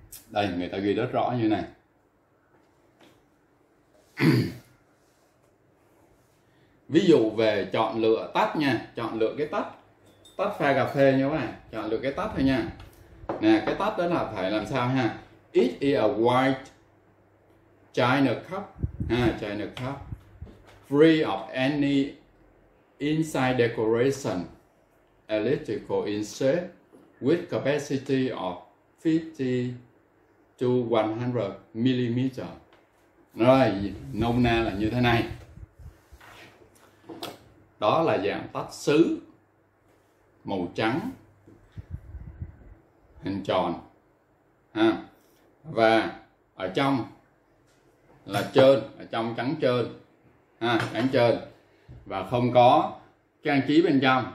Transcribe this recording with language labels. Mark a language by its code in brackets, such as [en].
[vi] Đây, người ta ghi rất rõ như thế này. Ví dụ về chọn lựa tách nha, chọn lựa cái tách pha cà phê nha các bạn, chọn lựa cái tách thôi nha. Nè, cái tách đó là phải làm sao ha? [en] It is a white china cup, china cup, free of any inside decoration, electrical insert, with capacity of 50 to 100 millimeter. [vi] Rồi, nôm na là như thế này. Đó là dạng tách sứ màu trắng hình tròn, và ở trong là trơn, ở trong trắng trơn, ha, trắng trơn và không có trang trí bên trong.